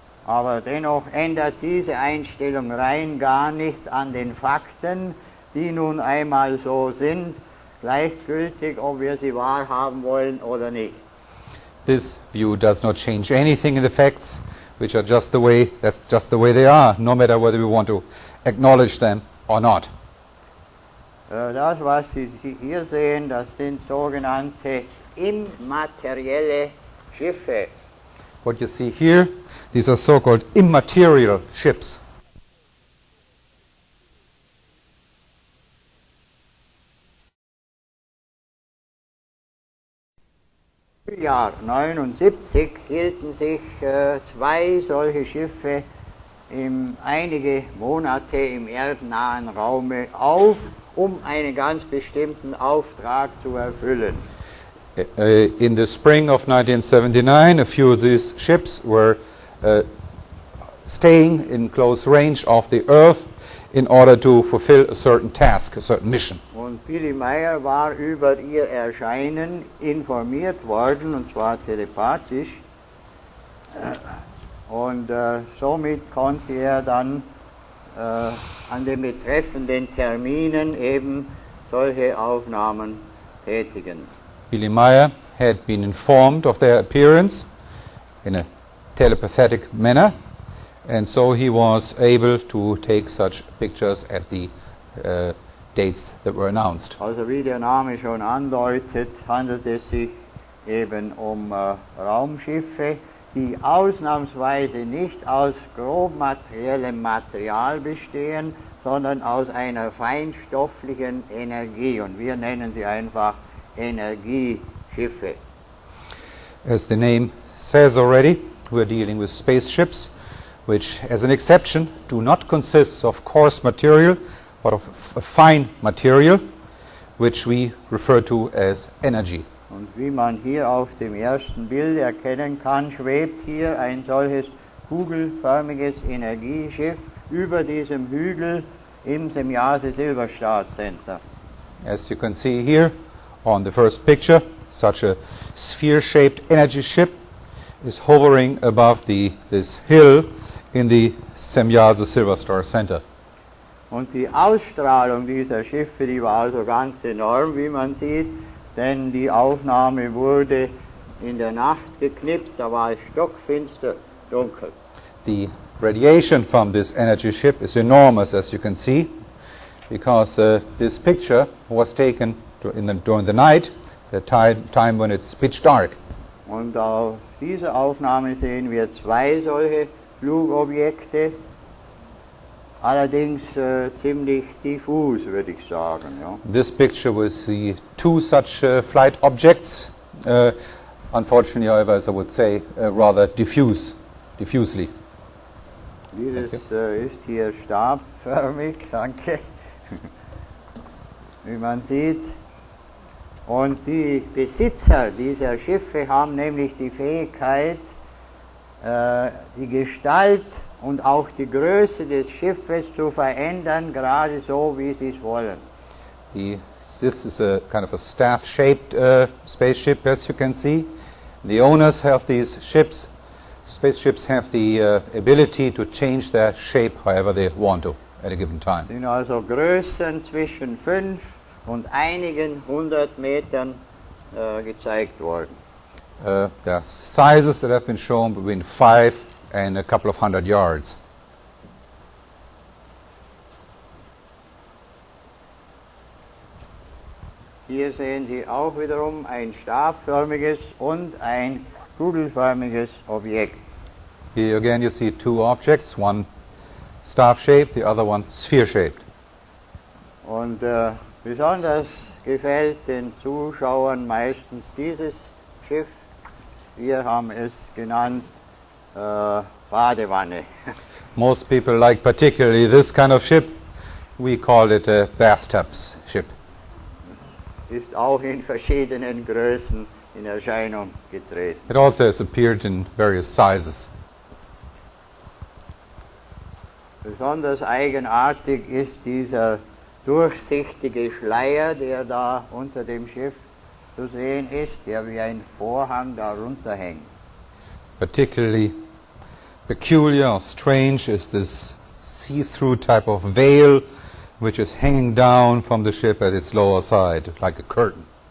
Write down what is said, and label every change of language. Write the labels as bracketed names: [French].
[German] Aber dennoch ändert diese Einstellung rein gar nichts an den Fakten, die nun einmal so sind, gleichgültig, ob wir sie wahrhaben wollen oder nicht. [English] This view does not change anything in the facts, which are just the way, that's just the way they are, no matter whether we want to acknowledge them or not. [German] Das, was Sie hier sehen, das sind sogenannte immaterielle Schiffe. [English] What you see here, these are so-called immaterial ships. [German] Im Jahr 79 hielten sich zwei solche Schiffe einige Monate im erdnahen Raume auf, um einen ganz bestimmten Auftrag zu erfüllen. [English] In the spring of 1979, a few of these ships were staying in close range of the Earth in order to fulfill a certain task, a certain mission. [German] Und Billy Meyer war über ihr Erscheinen informiert worden, und zwar telepathisch. Und somit konnte er dann an den betreffenden Terminen eben solche Aufnahmen tätigen. [English] Billy Meyer had been informed of their appearance in a telepathetic manner, and so he was able to take such pictures at the dates that were announced. [German] Also wie der Name schon andeutet, handelt es sich eben um Raumschiffe, die ausnahmsweise nicht aus grob materiellem Material bestehen, sondern aus einer feinstofflichen Energie. Und wir nennen sie einfach Energieschiffe. [English] As the name says already, we're dealing with spaceships, which, as an exception, do not consist of coarse material, but of fine material, which we refer to as energy. [German] Und wie man hier auf dem ersten Bild erkennen kann, schwebt hier ein solches kugelförmiges Energieschiff über diesem Hügel im Semyase Silberstaat Center. [English] As you can see here on the first picture, such a sphere-shaped energy ship is hovering above this hill in the Semyase Silberstar Center. [German] Und die Ausstrahlung dieser Schiffe, die war also ganz enorm, wie man sieht, denn die Aufnahme wurde in der Nacht geknipst, da war es stockfinster dunkel. [English] The radiation from this energy ship is enormous, as you can see, because this picture was taken during the night, the time when it's pitch dark. [German] Und auf dieser Aufnahme sehen wir zwei solche Flugobjekte, allerdings ziemlich diffus, würde ich sagen. Ja. [English] This picture was the two such flight objects. Unfortunately, however, as I would say, rather diffusely. [German] Dieses ist hier stabförmig, danke. Wie man sieht. Und die Besitzer dieser Schiffe haben nämlich die Fähigkeit, die Gestalt und auch die Größe des Schiffes zu verändern, gerade so, wie sie es wollen. [English] This is a kind of a staff-shaped spaceship, as you can see. The owners have these ships. Spaceships have the ability to change their shape however they want to at a given time. [German] Sind also Größen zwischen 5 und einigen hundert Metern gezeigt worden. [English] There are sizes that have been shown between 5 and a couple of hundred yards. [German] Hier sehen Sie auch wiederum ein stabförmiges und ein kugelförmiges Objekt. [English] Here again you see two objects, one staff-shaped, the other one sphere-shaped. [German] Und besonders gefällt den Zuschauern meistens dieses Schiff. Wir haben es genannt Badewanne. [English] Most people like particularly this kind of ship. We call it a bathtub ship. [German] Ist auch in verschiedenen Größen in Erscheinung getreten. [English] It also has appeared in various sizes. [German] Besonders eigenartig ist dieser durchsichtige Schleier, der da unter dem Schiff zu sehen ist, der wie ein Vorhang darunter hängt. [English] Particularly peculiar or strange is this see-through type of veil which is hanging down from the ship at its lower side, like a curtain.